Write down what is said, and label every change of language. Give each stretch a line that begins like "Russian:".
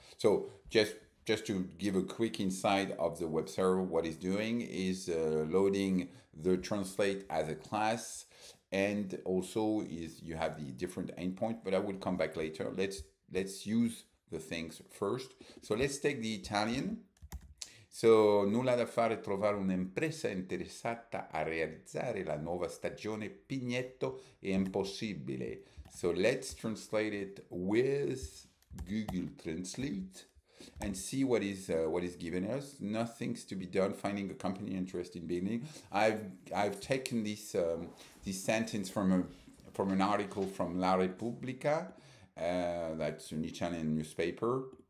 English: So just to give a quick insight of the web server, what it's doing is loading the translate as a class. And also is you have the different endpoint, but I will come back later. Let's use the things first. So let's take the Italian.
Italian: So, nulla da fare trovare un'impresa interessata a realizzare la nuova stagione Pignetto è impossibile.
English: So let's translate it with Google Translate and see what is given us. Nothing's to be done. Finding a company interested in building. I've taken this this sentence from an article from La Repubblica, that's an Italian newspaper.